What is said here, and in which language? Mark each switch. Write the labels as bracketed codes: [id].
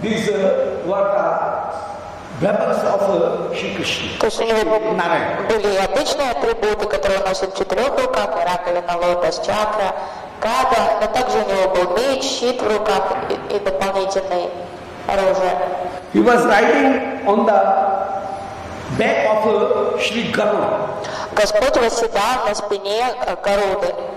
[en] These were the weapons of Shri Krishna. [ru] Были обычные атрибуты, которые носят в четырех руках, раковина, лотос, чакра, гада, но также у него был меч, щит в руках и дополнительное оружие. [en] He was riding on the back of Shri Garuda. [ru] Господь восседал на спине Гаруды.